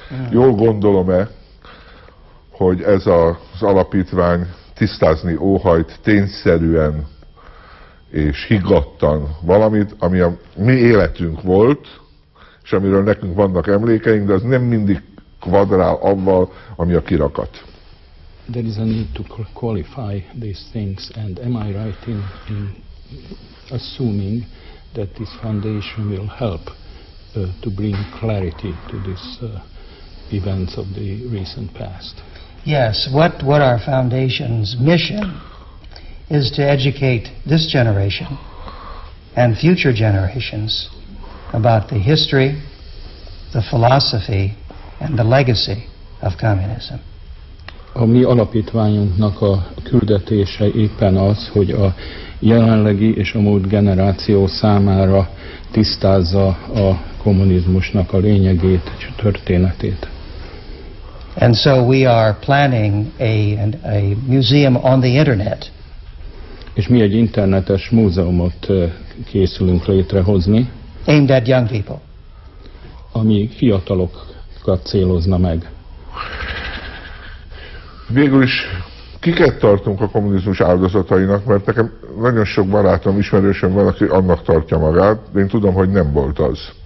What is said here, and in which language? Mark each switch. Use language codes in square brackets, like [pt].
[hu] Jól gondolom-e, hogy ez az alapítvány tisztázni óhajt tényszerűen és higgadtan valamit, ami a mi életünk volt, és amiről nekünk vannak emlékeink, de az nem mindig kvadrál avval, ami a kirakat. [en] There is a need to qualify these things, and am I right in assuming that this foundation will help to bring clarity to these events of the recent past? Yes, what our foundation's mission is to educate this generation and future generations about the history, the philosophy, and the legacy of communism. [hu] A mi alapítványunknak a küldetése éppen az, hogy a jelenlegi és a múlt generáció számára tisztázza a kommunizmusnak a lényegét, a történetét. [en] And so we are planning a museum on the internet. [hu] És mi egy internetes múzeumot készülünk létrehozni. [en] Aimed at young people. [hu] Ami fiatalokat célozna meg. Végül is kiket tartunk a kommunizmus áldozatainak, mert nekem nagyon sok barátom, ismerősöm van, aki annak tartja magát, de én tudom, hogy nem volt az.